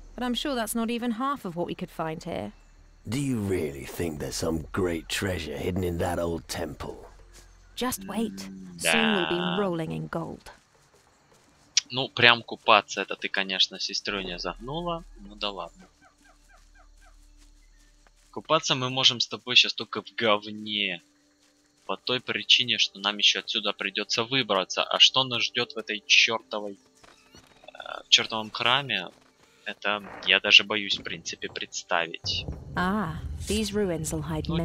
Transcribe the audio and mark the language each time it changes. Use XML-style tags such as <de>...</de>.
<en>But I'm sure that's not even half of what we could find here. Do you really think there's some great treasure hidden in that old temple? Just wait. Soon we'll be rolling in gold.</en> <ru>Ну, прям купаться это ты, конечно, сестру не загнула. Ну да ладно. Купаться мы можем с тобой сейчас только в говне. По той причине, что нам еще отсюда придется выбраться. А что нас ждет в этой чертовой... в чертовом храме, это я даже боюсь, в принципе, представить.</ru> <en>А, these ruins will hide many</en>